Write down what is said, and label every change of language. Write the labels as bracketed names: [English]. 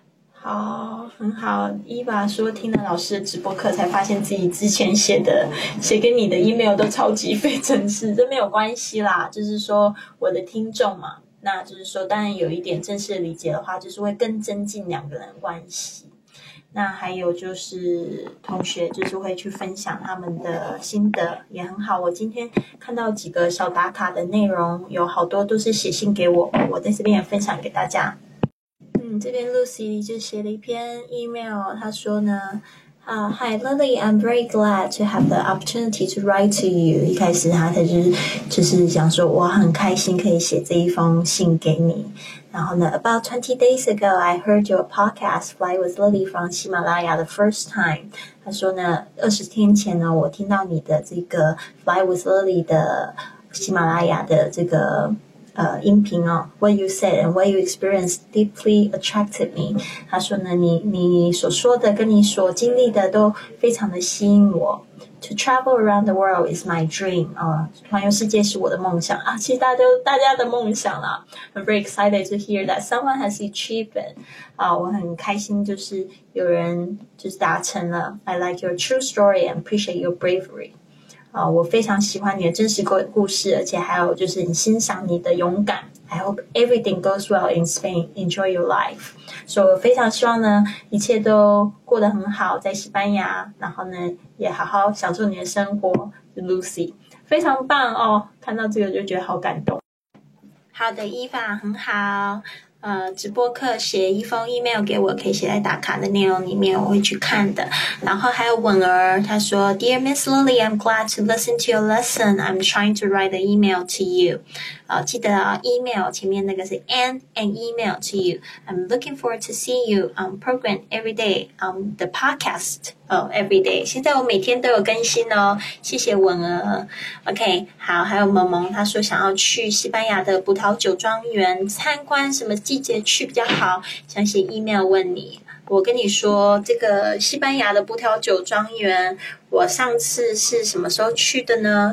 [Chinese] 好，很好。伊娃说听了老师的直播课才发现自己之前写给你的 email 都超级非正式，这没有关系啦，就是说我的听众嘛，那就是说当然有一点正式的理解的话就是会更增进两个人关系，那还有就是同学就是会去分享他们的心得也很好。我今天看到几个小打卡的内容有好多都是写信给我，我在这边也分享给大家。这边 Lucy 就写了一篇 email, 她说呢、 [English] Hi Lily, I'm very glad to have the opportunity to write to you. [Chinese] 一开始她就是想说我很开心可以写这一封信给你。然后呢 [English] ,about 20 days ago, I heard your podcast Fly with Lily from 喜马拉雅 the first time. [Chinese] 她说呢 ,20 天前呢我听到你的这个 Fly with Lily 的喜马拉雅的这个音频哦 , [English] what you said and what you experienced deeply attracted me. [Chinese] 他说呢你所说的跟你所经历的都非常的吸引我。 [English] To travel around the world is my dream. [Chinese] 环游世界是我的梦想啊，其实大家的梦想啦。 [English] I'm very excited to hear that someone has achieved it. [Chinese] 我很开心就是有人就是达成了。 [English] I like your true story and appreciate your bravery. [Chinese] 我非常喜欢你的真实故事，而且还有就是你欣赏你的勇敢。 [English] I hope everything goes well in Spain. Enjoy your life. [Chinese] 所以我非常希望呢，一切都过得很好，在西班牙，然后呢，也好好享受你的生活 ，Lucy， 非常棒哦！看到这个就觉得好感动。好的，伊法，很好。直播课写一封 email 给我，可以写在打卡的内容里面，我会去看的。然后还有文儿，他说 [English] ，Dear Miss Lily, I'm glad to listen to your lesson. I'm trying to write an email to you. [Chinese] 记得、email 前面那个是 [English] an email to you. I'm looking forward to see you on program every day on the podcast. Every day. [Chinese] 现在我每天都有更新哦。谢谢文儿。 OK， 好，还有萌萌，他说想要去西班牙的葡萄酒庄园参观什么。季节去比较好，想写 email 问你。我跟你说，这个西班牙的葡萄酒庄园，我上次是什么时候去的呢？